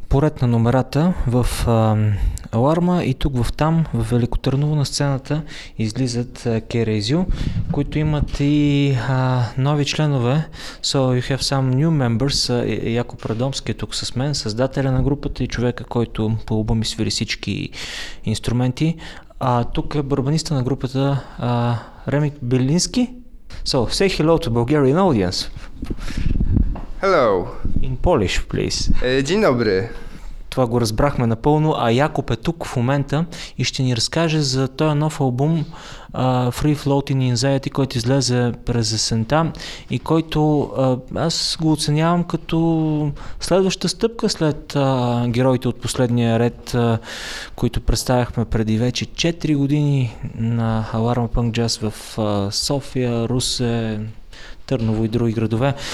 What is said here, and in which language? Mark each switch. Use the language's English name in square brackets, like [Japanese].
[Bulgarian] поред на номерата в Аларма и тук в там, в Велико Търново на сцената излизат Керезио, които имат и нови членове. [English] So you have some new members. [Bulgarian] Яко Прадомски е тук с мен, създателя на групата и човека, който по албуми свири всички инструменти. Тук е барабаниста на групата Ремик Белински. [English] So say hello to Bulgarian audience. Hello. In Polish, please. [Polish] Dzień dobry. [Bulgarian] Това го разбрахме напълно, а Якоб е тук в момента и ще ни разкаже за този нов албум Free Floating Anxiety, който излезе през есента и който аз го оценявам като следваща стъпка след героите от последния ред, които представяхме преди вече 4 години на Alarm Punk Jazz в София, Русе, Търново и други градове.